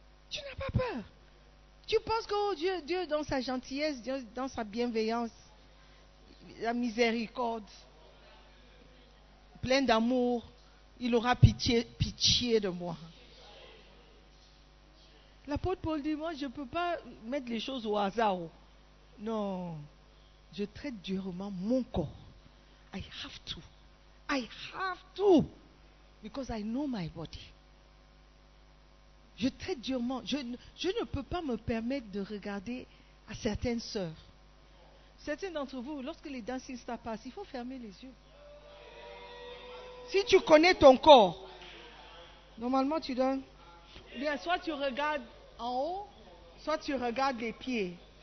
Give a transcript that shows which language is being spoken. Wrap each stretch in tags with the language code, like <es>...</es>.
<fr>Tu n'as pas peur. Tu penses que Dieu, dans sa gentillesse, Dieu, dans sa bienveillance, la miséricorde, plein d'amour, il aura pitié de moi. L'apôtre Paul dit, moi, je ne peux pas mettre les choses au hasard. Non, je traite durement mon corps.</fr> <en>I have to, because I know my body.</en> <fr>je traite durement. Je ne peux pas me permettre de regarder à certaines sœurs. Certains d'entre vous, lorsque les dancing stars passent, il faut fermer les yeux. Si tu connais ton corps, normalement tu donnes. Bien, soit tu regardes en haut, soit tu regardes les pieds.</fr>